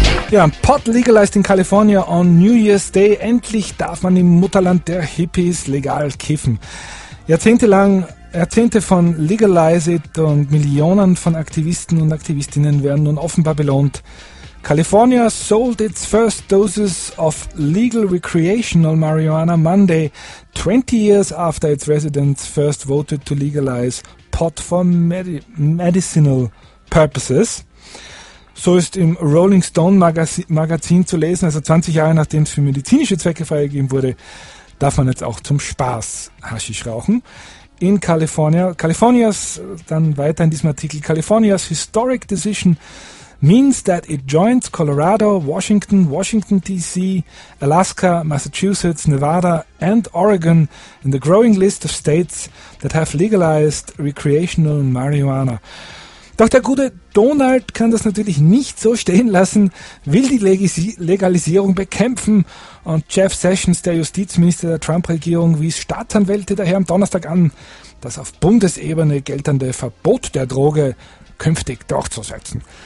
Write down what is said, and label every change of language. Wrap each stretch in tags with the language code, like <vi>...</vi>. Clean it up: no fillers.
<en>Ja, Pot legalized in California on New Year's Day.</en> <de>Endlich darf man im Mutterland der Hippies legal kiffen. Jahrzehnte von Legalize it und Millionen von Aktivisten und Aktivistinnen werden nun offenbar belohnt.</de> <en>California sold its first doses of legal recreational marijuana Monday, 20 years after its residents first voted to legalize pot for medicinal purposes.</en> <de>So ist im Rolling Stone Magazin zu lesen, also 20 Jahre nachdem es für medizinische Zwecke freigegeben wurde, darf man jetzt auch zum Spaß Haschisch rauchen. In California, Californias, dann weiter in diesem Artikel,</de> <en>Californias historic decision means that it joins Colorado, Washington, Washington D.C., Alaska, Massachusetts, Nevada, and Oregon in the growing list of states that have legalized recreational marijuana.</en> <de>Doch der gute Donald kann das natürlich nicht so stehen lassen, will die Legalisierung bekämpfen. Und Jeff Sessions, der Justizminister der Trump-Regierung, wies Staatsanwälte daher am Donnerstag an, das auf Bundesebene geltende Verbot der Droge künftig durchzusetzen.</de>